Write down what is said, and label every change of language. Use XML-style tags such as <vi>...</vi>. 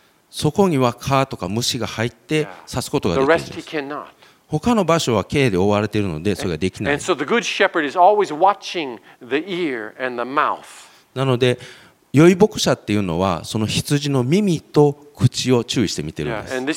<ja>そこには蚊とか虫が入って刺すことができるんです。他の場所は毛で覆われているのでそれができない。</ja> <en>And so the good shepherd is always watching the ear and the mouth.</en> <ja>なので良い牧者っていうのはその羊の耳と口を注意して見てるんです。</ja>